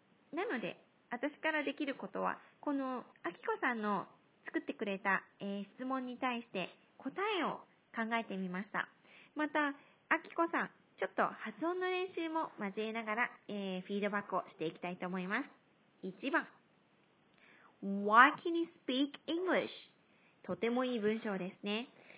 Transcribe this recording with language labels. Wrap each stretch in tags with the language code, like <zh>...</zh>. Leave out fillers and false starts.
<ja>なので、私からできることは、このあきこさんの作ってくれた、質問に対して、答えを考えてみました。また、あきこさん、ちょっと発音の練習も交えながら、フィードバックをしていきたいと思います。 1番。</ja> <en>Why can you speak English?</en> <ja>とてもいい文章ですね。</ja>